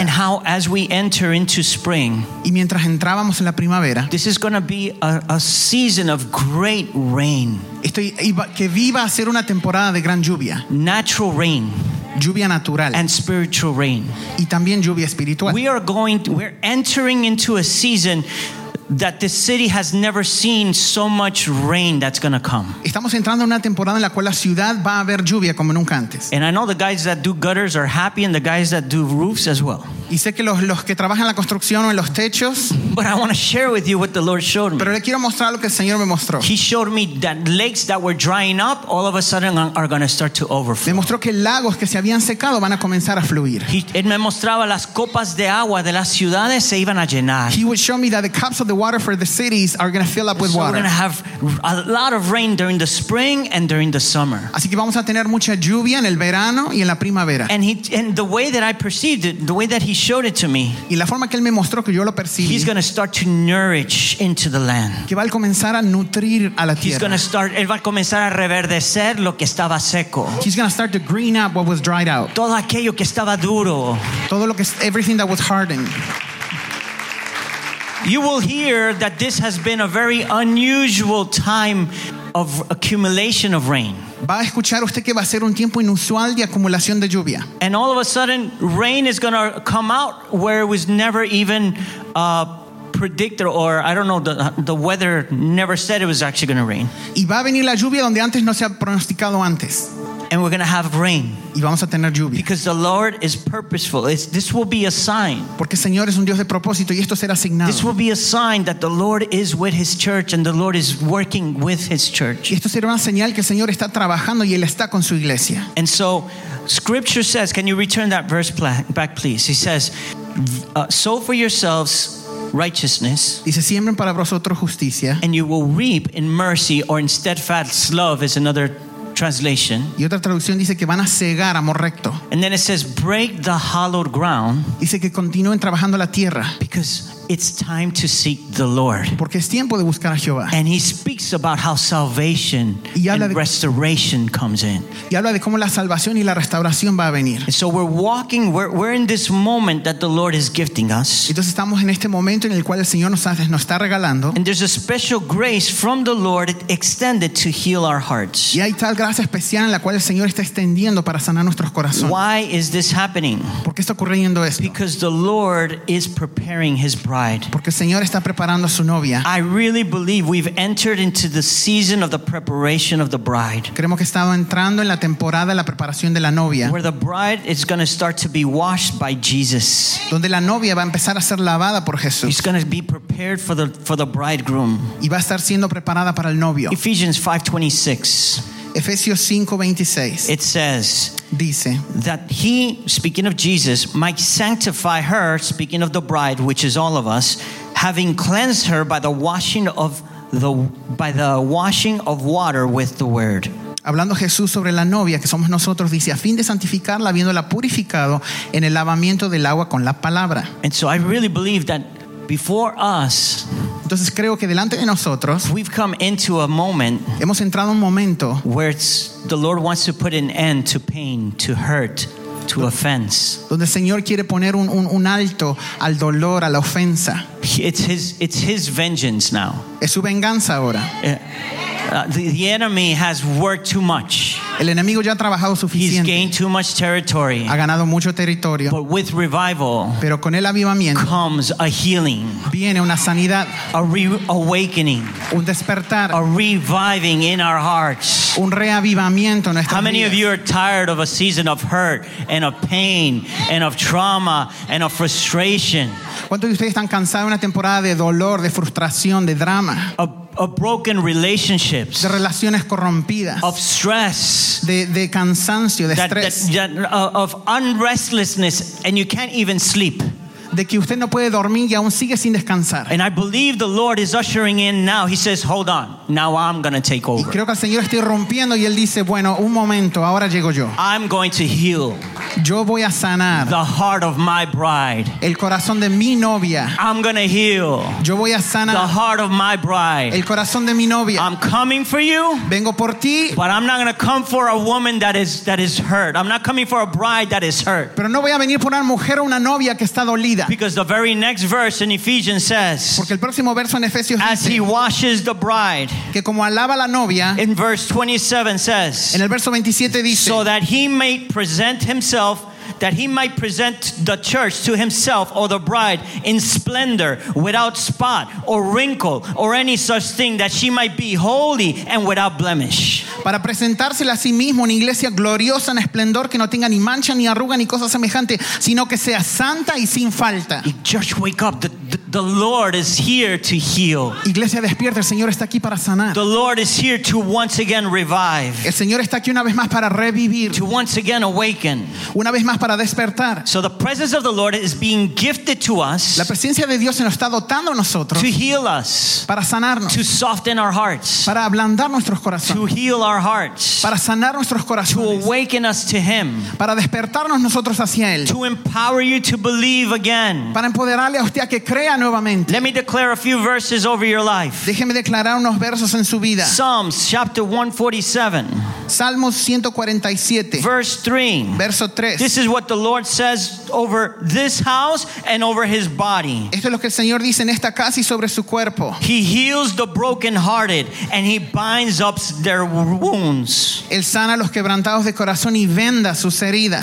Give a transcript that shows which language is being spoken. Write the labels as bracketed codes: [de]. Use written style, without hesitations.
[en] And how as we enter into spring. [es] Y mientras entrábamos en la primavera. [en] This is going to be a season of great rain. [es] Iba a ser una temporada de gran lluvia. [en] Natural rain. [es] Lluvia natural. [en] And spiritual rain. [es] Y también lluvia espiritual. [en] We're entering into a season that the city has never seen so much rain that's going to come. [es] Estamos entrando en una temporada en la cual la ciudad va a haber lluvia como nunca antes. [en] And I know the guys that do gutters are happy, and the guys that do roofs as well. [es] Y sé que los que trabajan en la construcción o en los techos. [en] But I want to share with you what the Lord showed me. [es] Pero le quiero mostrar lo que el Señor me mostró. [en] He showed me that lakes that were drying up all of a sudden are going to start to overflow. [es] Me mostró que lagos que se habían secado van a comenzar a fluir. Él me mostraba las copas de agua de las ciudades se iban a llenar. [en] He would show me that the cups of the water for the cities are going to fill up with water. So we're going to have a lot of rain during the spring and during the summer. [es] Así que vamos a tener mucha lluvia en el verano y en la primavera. [en] And the way that I perceived it, the way that he showed it to me. [es] Y la forma que él me mostró que yo lo percibí. [en] He's going to start to nourish into the land. [es] Que va a comenzar a nutrir a la tierra. [en] He's going to start. [es] Él va a comenzar a reverdecer lo que estaba seco. [en] He's going to start to green up what was dried out. [es] Todo aquello que estaba duro. Todo lo que [en] everything that was hardened. You will hear that this has been a very unusual time of accumulation of rain. [es] Va a escuchar usted que va a ser un tiempo inusual de acumulación de lluvia. [en] And all of a sudden, rain is going to come out where it was never even predicted, or I don't know, the weather never said it was actually going to rain. [es] Y va a venir la lluvia donde antes no se ha pronosticado antes. [en] And we're going to have rain. [es] Y vamos a tener lluvia. [en] Because the Lord is purposeful. This will be a sign. [es] Porque el Señor es un Dios de propósito y esto será asignado. [en] This will be a sign that the Lord is with his church and the Lord is working with his church. [es] Y esto será una señal que el Señor está trabajando y él está con su iglesia. [en] And so scripture says, can you return that verse back please? He says, sow for yourselves righteousness. [es] Dice, siembren para vosotros justicia. [en] And you will reap in mercy, or in steadfast love is another translation. [es] Y otra traducción dice que van a segar amor recto. [en] And then it says, break the hallowed ground. [es] Dice que continúen trabajando la tierra. [en] Because it's time to seek the Lord. [es] Porque es tiempo de buscar a Jehová. [en] And he speaks about how salvation and restoration comes in. [es] Y habla de cómo la salvación y la restauración va a venir. [en] And so we're walking, we're in this moment that the Lord is gifting us. [es] Entonces estamos en este momento en el cual el Señor nos está regalando. [en] And there's a special grace from the Lord extended to heal our hearts. [es] Y hay tal gracia especial en la cual el Señor está extendiendo para sanar nuestros corazones. [en] Why is this happening? [es] ¿Por qué está ocurriendo esto? [en] Because the Lord is preparing his bride. bride. [es] Porque el Señor está preparando a su novia. [en] I really believe we've entered into the season of the preparation of the bride. [es] Creemos que estamos entrando en la temporada de la preparación de la novia. [en] Where the bride is going to start to be washed by Jesus. [es] Donde la novia va a empezar a ser lavada por Jesús. [en] He's going to be prepared for the bridegroom. [es] Y va a estar siendo preparada para el novio. [en] Ephesians 5:26. [es] Efesios 5:26. [en] It says, [es] dice, [en] that he, speaking of Jesus, might sanctify her, speaking of the bride, which is all of us, having cleansed her by the washing of water with the word. [es] Hablando Jesús sobre la novia que somos nosotros, dice, a fin de santificarla, habiéndola purificado en el lavamiento del agua con la palabra. [en] And so I really believe that before us, [es] entonces creo que delante de nosotros, [en] we've come into a moment, [es] hemos entrado un momento, [en] where it's, the Lord wants to put an end to pain, to hurt, to offense. [es] Donde el Señor quiere poner un alto al dolor, a la ofensa. [en] It's his vengeance now. [es] Es su venganza ahora. [en] The enemy has worked too much. [es] El enemigo ya ha trabajado suficiente. [en] He's gained too much territory. [es] Ha ganado mucho territorio. [en] But with revival, [es] pero con el avivamiento, [en] comes a healing. [es] Viene una sanidad. [en] A reawakening. [es] Un despertar. [en] A reviving in our hearts. [es] Un reavivamiento en nuestras vidas. [en] How many [es] vidas? [en] Of you are tired of a season of hurt and of pain and of trauma and of frustration? [es] ¿Cuántos de ustedes están cansados de una temporada de dolor, de frustración, de drama? [en] Of broken relationships, [es] de relaciones corrompidas, [en] of stress, [es] de cansancio, de estrés, [en] of unrestlessness, and you can't even sleep. [es] De que usted no puede dormir y aún sigue sin descansar. [en] And I believe the Lord is ushering in now. He says, "Hold on. Now I'm going to take over." [es] Y creo que el Señor está rompiendo y él dice, "Bueno, un momento, ahora llego yo." [en] I'm going to heal. [es] Yo voy a sanar. [en] The heart of my bride. [es] El corazón de mi novia. [en] I'm going to heal. [es] Yo voy a sanar. [en] The heart of my bride. [es] El corazón de mi novia. [en] I'm coming for you. [es] Vengo por ti. [en] But I'm not going to come for a woman that is hurt. I'm not coming for a bride that is hurt. [es] Pero no voy a venir por una mujer o una novia que está dolida. [en] Because the very next verse in Ephesians says, [es] porque el próximo verso en Efesios [en] as [es] dice, [en] he washes the bride, [es] que como alaba la novia, [en] in verse 27 says, [es] en el verso 27 dice, [en] so that he may present himself, that he might present the church to himself or the bride in splendor, without spot or wrinkle or any such thing, that she might be holy and without blemish. [es] Para presentársela a sí mismo una iglesia gloriosa en esplendor, que no tenga ni mancha ni arruga ni cosa semejante, sino que sea santa y sin falta. [en] Church, wake up. The Lord is here to heal. [es] Iglesia, despierta. El Señor está aquí para sanar. [en] The Lord is here to once again revive. [es] El Señor está aquí una vez más para revivir. [en] To once again awaken. [es] Una vez más para despertar. [en] So the presence of the Lord is being gifted to us. [es] La presencia de Dios se nos está dotando a nosotros. [en] To heal us. [es] Para sanarnos. [en] To soften our hearts. [es] Para ablandar nuestros corazones. [en] To heal our hearts. [es] Para sanar nuestros corazones. [en] To awaken us to Him. [es] Para despertarnos nosotros hacia Él. [en] To empower you to believe again. [es] Para empoderarle a usted a que crea. Nuevamente. [en] Let me declare a few verses over your life. [es] Déjeme declarar unos versos en su vida. [en] Psalms chapter 147. [es] Salmos 147. [en] Verse 3. [es] Verso 3. [en] This is what the Lord says over this house and over his body. [es] Esto es lo que el Señor dice en esta casa y sobre su cuerpo. [en] He heals the brokenhearted and he binds up their wounds. [es] Él sana los quebrantados de corazón y venda sus heridas.